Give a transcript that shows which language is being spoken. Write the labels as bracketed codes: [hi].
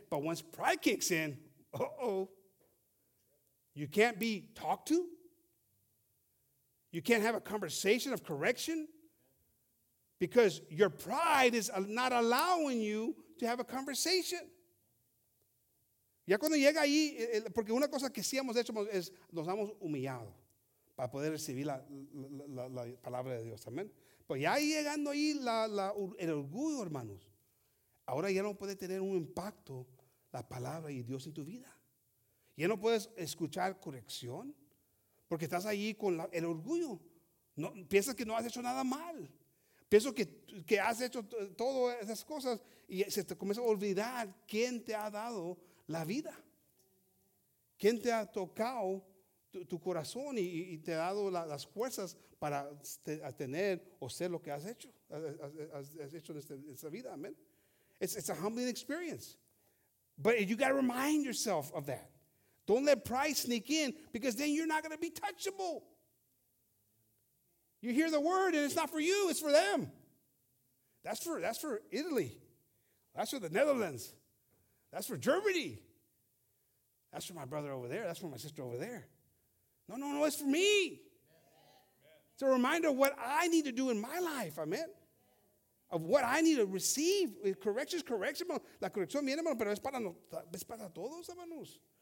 [en] But once pride kicks in, uh-oh, you can't be talked to. You can't have a conversation of correction because your pride is not allowing you to have a conversation. [es] Ya cuando llega ahí, porque una cosa que sí hemos hecho es nos hemos humillado para poder recibir la palabra de Dios. Amén. Pues ya llegando ahí el orgullo, hermanos, ahora ya no puede tener un impacto la palabra de Dios en tu vida. Ya no puedes escuchar corrección. Porque estás ahí con el orgullo. No, piensas que no has hecho nada mal. Piensas que has hecho todas esas cosas y se te comienza a olvidar quién te ha dado la vida. Quién te ha tocado tu corazón y te ha dado las fuerzas para tener o ser lo que has hecho. Has hecho en esta vida. Amen. [en] It's a humbling experience. But you got to remind yourself of that. Don't let pride sneak in because then you're not going to be touchable. You hear the word and it's not for you, it's for them. That's for Italy. That's for the Netherlands. That's for Germany. That's for my brother over there. That's for my sister over there. No, it's for me. Amen. It's a reminder of what I need to do in my life, amen? Of what I need to receive. Correction is correction. [es] La corrección viene, hermano, pero es para todos, hermanos.